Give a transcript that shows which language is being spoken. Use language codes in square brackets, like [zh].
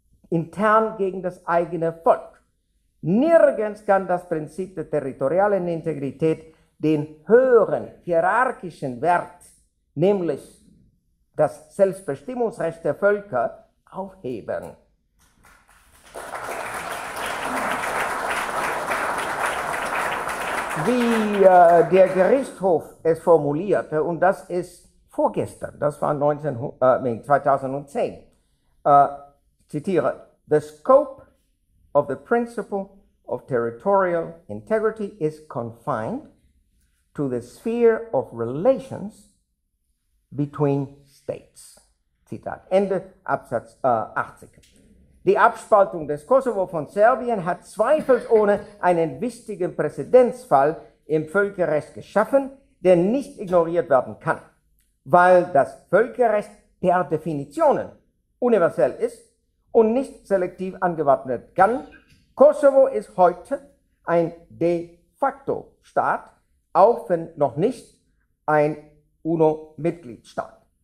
[de] Intern gegen das eigene Volk. Nirgends kann das Prinzip der territorialen Integrität den höheren hierarchischen Wert, nämlich das Selbstbestimmungsrecht der Völker, aufheben. Wie der Gerichtshof es formulierte, und das ist vorgestern, das war 2010, zitiere, [en] the scope of the principle of territorial integrity is confined to the sphere of relations between states. [de] Zitat Ende, Absatz 80. Die Abspaltung des Kosovo von Serbien hat zweifelsohne einen wichtigen Präzedenzfall im Völkerrecht geschaffen, der nicht ignoriert werden kann. Weil das Völkerrecht per Definition universell ist und nicht selektiv angewandt kann, Kosovo ist heute ein de facto Staat, auch wenn noch nicht ein UNO-Mitgliedstaat.